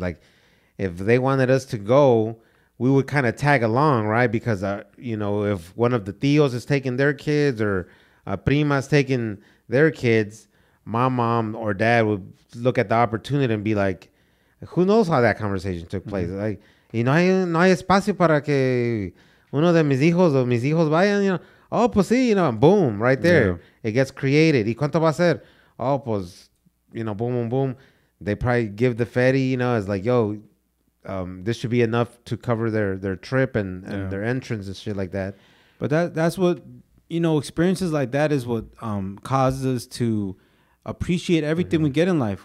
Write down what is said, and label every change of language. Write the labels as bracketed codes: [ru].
[en] Like, if they wanted us to go, we would kind of tag along, right? Because, you know, if one of the tios is taking their kids or a prima's taking their kids, my mom or dad would look at the opportunity and be like, who knows how that conversation took place? Mm-hmm. Like, [es] y no hay espacio para que uno de mis hijos vayan, you know? Oh, pues sí, [en] you know, boom, right there. Yeah. It gets created. [es] ¿Y cuánto va a ser? [en] Oh, [es] pues, [en] you know, boom, boom, boom. They probably give the fetty, you know, it's like, yo, this should be enough to cover their trip and their entrance and shit like that. But that's what, you know, experiences like that is what causes us to appreciate everything mm-hmm. we get in life.